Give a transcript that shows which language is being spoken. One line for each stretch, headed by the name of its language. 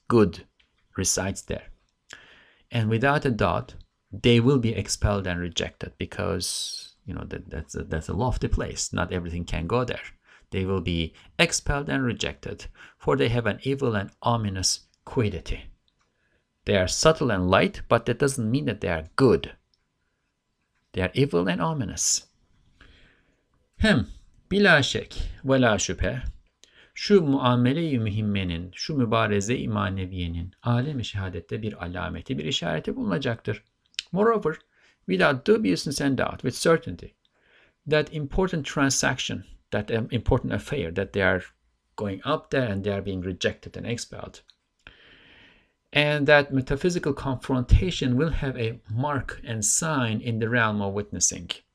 English: Good resides there. And without a doubt, they will be expelled and rejected because, you know, that's a lofty place. Not everything can go there. They will be expelled and rejected, for they have an evil and ominous quiddity. They are subtle and light, but that doesn't mean that they are good. They are evil and ominous.
Turkish: Hem bila şek ve la şüphe şu muamele-i mühimmenin, şu mübareze-i maneviyenin alem-i şehadette bir alameti, bir işareti bulunacaktır.
English: Moreover, without dubiousness and doubt, with certainty, that important transaction, that important affair, that they are going up there and they are being rejected and expelled, and that metaphysical confrontation will have a mark and sign in the realm of witnessing.